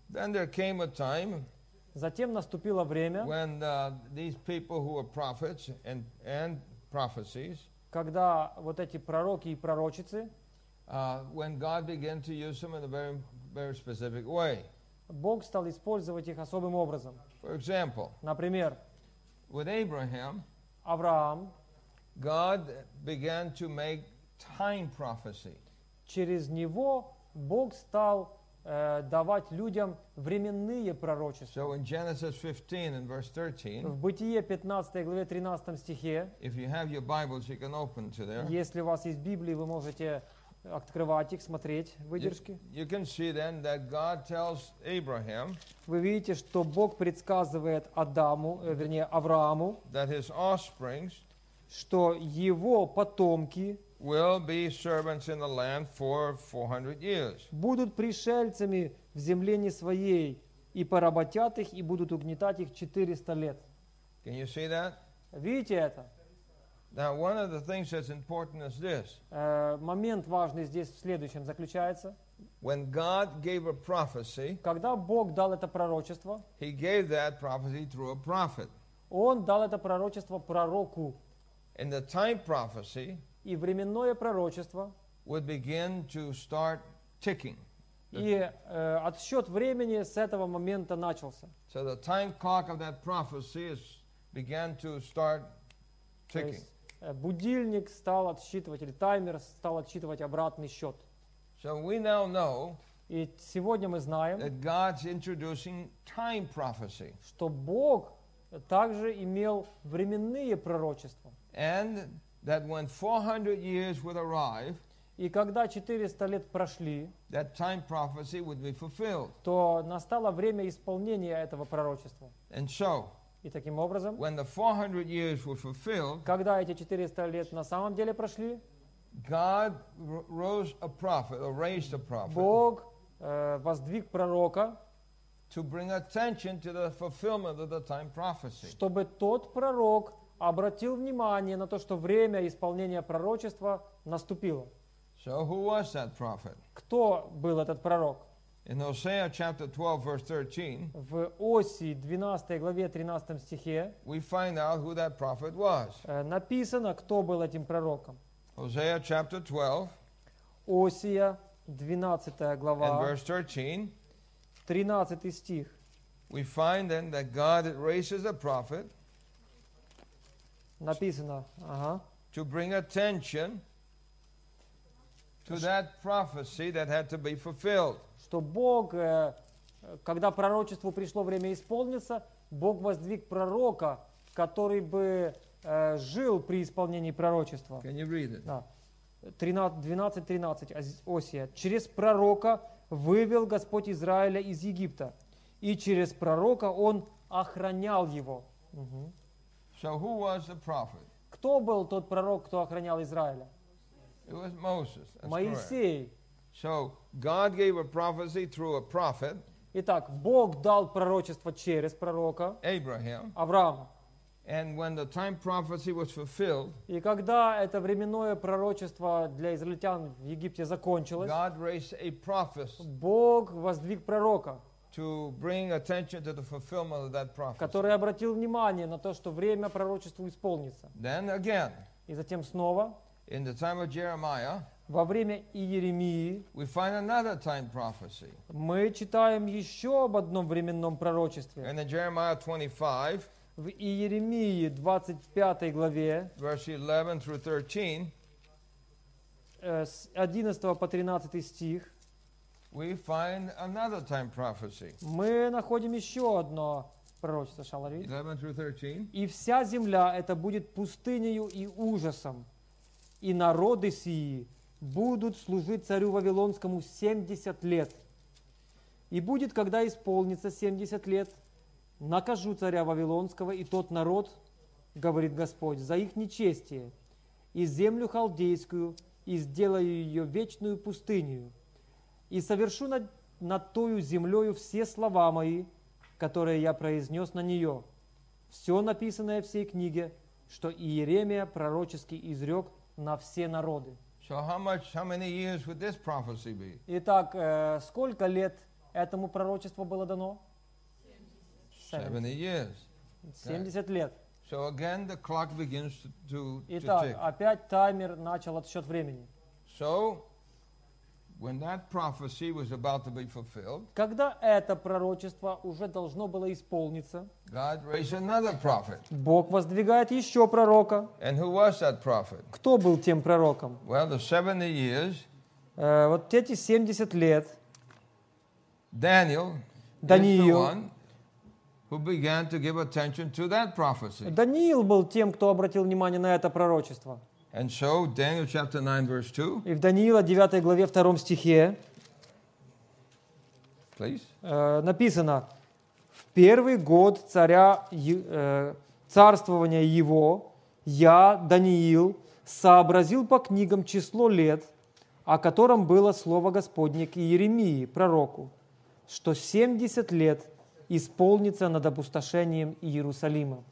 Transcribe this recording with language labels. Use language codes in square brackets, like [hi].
[en] Then there came a time. [ru] Затем наступило время. [en] When these people who were prophets and prophecies. [ru] Когда вот эти пророки и пророчицы. [en] When God began to use them in a very, very specific way. [ru] Бог стал использовать их особым образом. [en] For example. [ru] Например. [en] With Abraham. [ru] Авраам. [en] God began to make time prophecy. [ru] Через него Бог стал давать людям временные пророчества. [en] So in Genesis 15 and verse 13. [ru] В Бытие 15 главе 13 стихе. [en] If you have your Bibles, you can open to there. [ru] Если у вас есть Библии, вы можете открывать их, смотреть выдержки. [en] You can see then that God tells Abraham. [ru] Вы видите, что Бог предсказывает Адаму, вернее Аврааму. [en] That his offsprings, [ru] что его потомки [en] will be servants in the land for 400 years. [ru] Будут пришельцами в земле не своей и поработят их и будут угнетать их 400 лет. [en] Can you see that? [ru] Видите это? [en] Now, one of the things that's important is this. [ru] Момент важный здесь в следующем заключается. [en] When God gave a prophecy, [ru] когда Бог дал это пророчество, [en] he gave that prophecy through a prophet. [ru] Он дал это пророчество пророку. [en] And the time prophecy, [ru] и временное пророчество, [en] would begin to start ticking. [ru] И отсчет времени с этого момента начался. [en] So the time clock of that prophecy began to start ticking. [ru] Будильник стал отсчитывать, или таймер стал отсчитывать обратный счет. [en] So we now know, [ru] и сегодня мы знаем, [en] that God's introducing time prophecy. [ru] Что Бог также имел временные пророчества. [en] And that when 400 years would arrive, [ru] и когда 400 лет прошли, [en] that time prophecy would be fulfilled. [ru] То настало время исполнения этого пророчества. [en] And so, [ru] и таким образом, [en] when the 400 years were fulfilled, [ru] когда эти 400 лет на самом деле прошли, [en] God rose a prophet, or raised a prophet, [ru] Бог воздвиг пророка, [en] to bring attention to the fulfillment of the time prophecy. [ru] Чтобы тот пророк обратил внимание на то, что время исполнения пророчества наступило. [en] So who was that prophet? [ru] Кто был этот пророк? [en] In Hosea chapter 12, verse 13, [ru] в Осии 12 главе 13 стихе, [en] we find out who that prophet was. [ru] Написано, кто был этим пророком. [en] Hosea chapter 12, [ru] Осия 12 глава, [en] and verse 13, [ru] 13 стих, [en] we find then that God raises a prophet. [ru] Написано, ага. [en] To bring attention to that prophecy that had to be fulfilled. [ru] Что Бог, когда пророчеству пришло время исполниться, Бог воздвиг пророка, который бы жил при исполнении пророчества. [en] Can you read it? [ru] Да. 12:13 Осия. Через пророка вывел Господь Израиля из Египта, и через пророка он охранял его. [en] So who was the prophet? [ru] Кто был тот пророк, кто охранял Израиля? [en] It was Moses. [ru] Моисей. [en] So God gave a prophecy through a prophet. [ru] Итак, Бог дал пророчество через пророка. [en] Abraham. [ru] Авраам. [en] And when the time prophecy was fulfilled, [ru] и когда это временное пророчество для израильтян в Египте закончилось, [en] God raised a prophet. [ru] Бог воздвиг пророка. [en] To bring attention to the fulfillment of that prophecy. [ru] Который обратил внимание на то, что время пророчеству исполнится. [en] Then again. [ru] И затем снова. [en] In the time of Jeremiah, [ru] во время Иеремии, [en] we find another time prophecy. [ru] Мы читаем еще об одном временном пророчестве. [en] And in Jeremiah 25, [ru] в Иеремии 25 главе, [en] verse 11 through 13, [ru] с 11 по 13 стих, [en] we find another time prophecy. [ru] Мы находим еще одно пророчество. [en] Shall I read? 11 through 13. [ru] И вся земля это будет пустынею и ужасом. И народы сии будут служить царю Вавилонскому 70 лет. И будет, когда исполнится 70 лет, накажу царя Вавилонского и тот народ, говорит Господь, за их нечестие, и землю халдейскую, и сделаю ее вечную пустынью, и совершу над тою землею все слова мои, которые я произнес на нее. Все написанное в всей книге, что Иеремия пророчески изрек на все народы. [en] So how many years would this prophecy be? [ru] Итак, сколько лет этому пророчеству было дано? [en] 70 years. [ru] 70 лет. [en] So again the clock begins to tick. [ru] Итак, опять таймер начал отсчет времени. [en] So when that prophecy was about to be fulfilled, [ru] когда это пророчество уже должно было исполниться, [en] God raised another prophet. [ru] Бог воздвигает еще пророка. [en] And who was that prophet? [ru] Кто был тем пророком? [en] Well, the 70 years, [ru] вот эти 70 лет, [en] Daniel, [ru] Даниил, [en] is the one who began to give attention to that prophecy. [ru] Даниил был тем, кто обратил внимание на это пророчество. [en] And so, Daniel chapter 9, verse 2. [ru] И в Даниила 9 главе 2 стихе, [en] please, [ru] написано, в первый год царя, царствования его, я, Даниил, сообразил по книгам число лет, о котором было слово Господне к Иеремии, пророку, что 70 лет исполнится над опустошением Иерусалима.